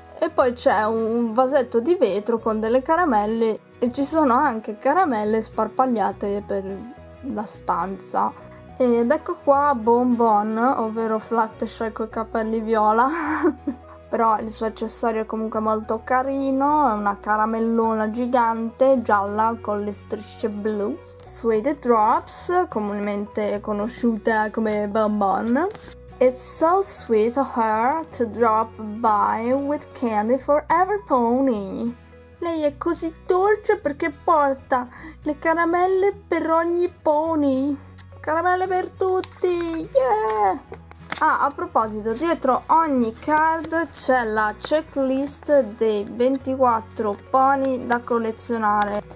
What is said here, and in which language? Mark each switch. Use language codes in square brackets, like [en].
[it] E poi c'è un vasetto di vetro con delle caramelle e ci sono anche caramelle sparpagliate per la stanza. Ed ecco qua Bon Bon, ovvero Fluttershy con i capelli viola. Però il suo accessorio è comunque molto carino, è una caramellona gigante gialla con le strisce blu. Suede Drops, comunemente conosciute come Bon Bon. [en] It's so sweet of her to drop by with candy for every pony. [it] Lei è così dolce perché porta le caramelle per ogni pony. Caramelle per tutti, yeah! Ah, a proposito, dietro ogni card c'è la checklist dei 24 pony da collezionare.